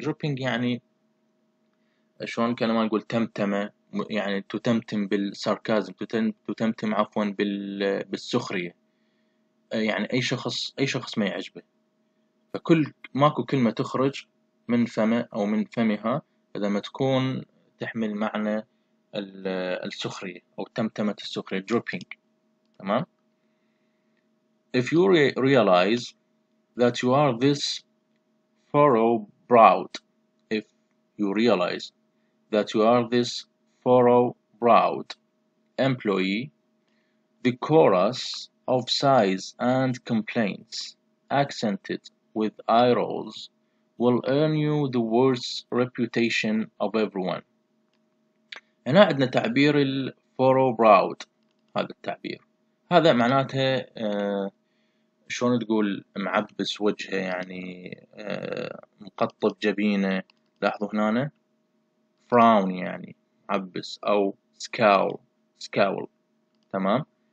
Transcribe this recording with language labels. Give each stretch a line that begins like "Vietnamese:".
Arabic: dripping يعني شلون كان ما نقول تمتمة, يعني تتمتم بالساركازم, تتمتم عفوا بالسخرية, يعني أي شخص ما يعجبه. فكل ماكو كلمة تخرج من فمه أو من فمها إذا ما تكون تحمل معنى السخرية أو تمتمة السخرية dripping تمام.
English: If you realize that you are this furrow browed, if you realize that you are this furrow browed employee, the chorus of sighs and complaints accented with eye rolls will earn you the worst reputation of everyone.
Arabic: هنا عندنا تعبير الـ furrow browed. هذا التعبير هذا معناته شلون تقول معبس وجهه يعني مقطب جبينه. لاحظوا هنا frown يعني معبس او scowl تمام.